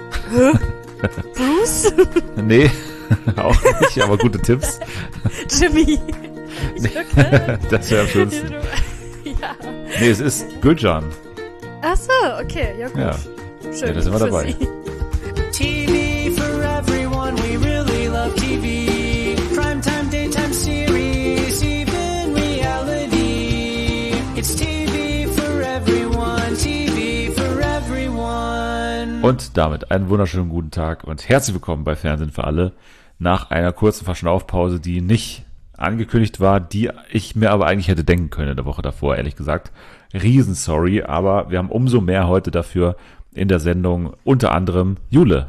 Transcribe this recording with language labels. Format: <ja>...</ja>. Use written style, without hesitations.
<de>Bruce? Nee, auch nicht, aber gute Tipps. Jimmy? Das wäre am schönsten. Ja. Nee, es ist Gülcan. Ach so, okay. Ja, gut. Ja. Schön. Ja, da sind wir dabei.</de> <en>TV for everyone, we really love TV. Primetime, daytime series, even reality. It's TV for everyone, TV for everyone.</en> <de>Und damit einen wunderschönen guten Tag und herzlich willkommen bei Fernsehen für alle. Nach einer kurzen Verschnaufpause, die nicht angekündigt war, die ich mir aber eigentlich hätte denken können in der Woche davor, ehrlich gesagt. Riesensorry, aber wir haben umso mehr heute dafür in der Sendung, unter anderem Jule.</de>